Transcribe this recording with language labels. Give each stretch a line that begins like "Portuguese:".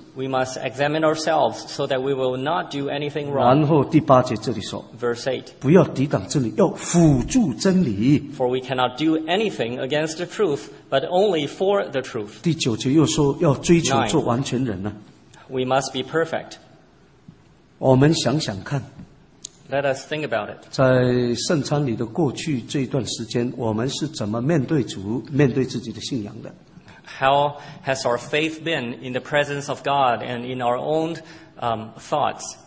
English: We must examine ourselves so that we will not do anything wrong.
Chinese: 然后第八节这里说,
English: Verse 8.
Chinese: 不要抵挡真理，要辅助真理。
English: For we cannot do anything against the truth, but only for the truth.
Chinese: 第九节又说要追求做完全人呢。
English: We must be perfect.
Chinese: 我们想想看。
English: Let us think about it.
Chinese: 在圣餐里的过去这段时间，我们是怎么面对主、面对自己的信仰的？
English: How has our faith been in the presence of God and in our own thoughts?